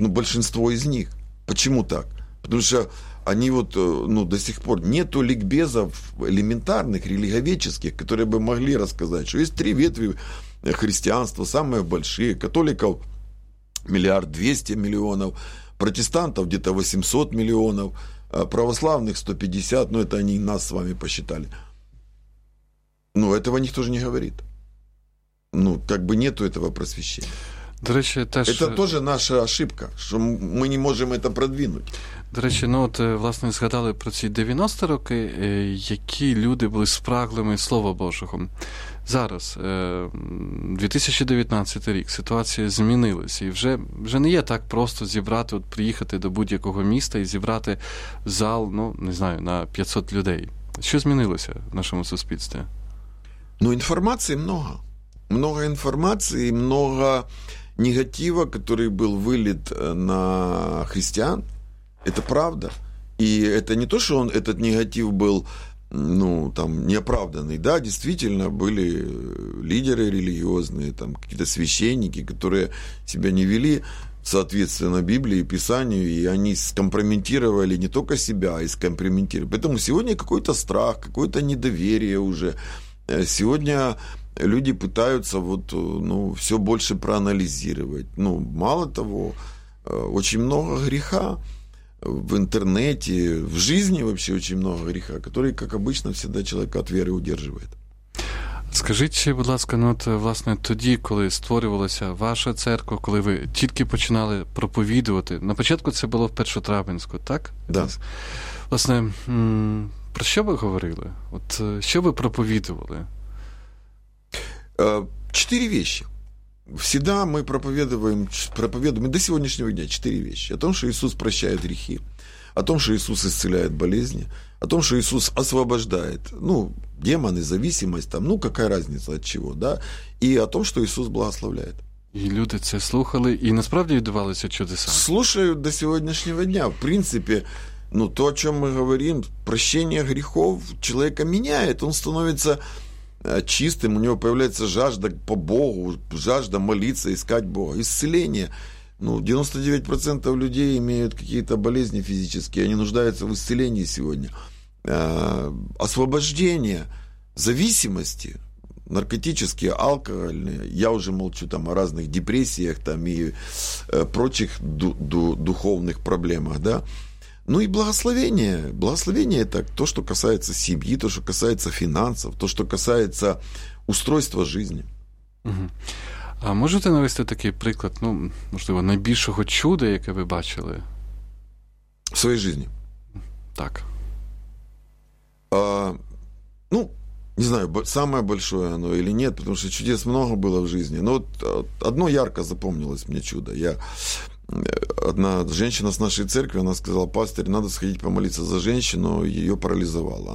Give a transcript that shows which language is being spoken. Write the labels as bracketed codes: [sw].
[ru] Ну, большинство из них. Почему так? Потому что они вот, ну, до сих пор нету ликбезов элементарных, религиоведческих, которые бы могли рассказать, что есть три ветви христианства, самые большие, католиков 1 200 000 000, протестантов где-то 800 миллионов, православных 150, ну, это они нас с вами посчитали. Ну, этого никто же не говорит. Ну, как бы нету этого просвещения. [uk] До речі, теж... Це теж наша ошибка, що ми не можемо це продвинути. До речі, ну от, власне, згадали про ці 90-ті роки, які люди були спраглими Слова Божого. Зараз, 2019 рік, ситуація змінилася, і вже не є так просто зібрати, от приїхати до будь-якого міста і зібрати зал, ну, не знаю, на 500 людей. Що змінилося в нашому суспільстві? Ну, інформації много. Много інформації, много... [ru] негатива, который был вылит на христиан, это правда. И это не то, что он, этот негатив был, ну, там, неоправданный. Да, действительно, были лидеры религиозные, там, какие-то священники, которые себя не вели соответственно Библии и Писанию, и они скомпрометировали не только себя, а и скомпрометировали. Поэтому сегодня какой-то страх, какое-то недоверие уже. Сегодня... люди пытаются вот, ну, все больше проанализировать. Ну, мало того, очень много греха в интернете, в жизни вообще очень много греха, который, как обычно, всегда человека от веры удерживает. [uk] Скажіть, будь ласка, ну от, власне, тоді, коли створювалася ваша церква, коли ви тільки починали проповідувати, на початку це було в Першотравенську, так? [ru] Да. [uk] Власне, про що ви говорили? От, що ви проповідували? Чотири речі. [ru] Всегда мы проповедуем до сегодняшнего дня четыре вещи. О том, что Иисус прощает грехи, о том, что Иисус исцеляет болезни, о том, что Иисус освобождает, ну, демоны, зависимость, там, ну, какая разница от чего, да, и о том, что Иисус благословляет. И люди это [uk] слухали, и насправді відбувалися чудеса. [ru] Слушают до сегодняшнего дня. В принципе, ну, то, о чем мы говорим, прощение грехов человека меняет, он становится... чистым, у него появляется жажда по Богу, жажда молиться, искать Бога, исцеление. Ну, 99% людей имеют какие-то болезни физические, они нуждаются в исцелении сегодня. Освобождение, зависимости, наркотические, алкогольные, я уже молчу там о разных депрессиях там и прочих духовных проблемах, да. Ну и благословение. Благословение – это то, что касается семьи, то, что касается финансов, то, что касается устройства жизни. Угу. [uk] А можете навести такий приклад, ну, можливо, найбільшого чуда, яке ви бачили? [ru] В своей жизни? [uk] Так. [ru] Ну, не знаю, самое большое оно или нет, потому что чудес много было в жизни. Но вот одно ярко запомнилось мне чудо. Одна женщина с нашей церкви, она сказала: пастырь, надо сходить помолиться за женщину, ее парализовало.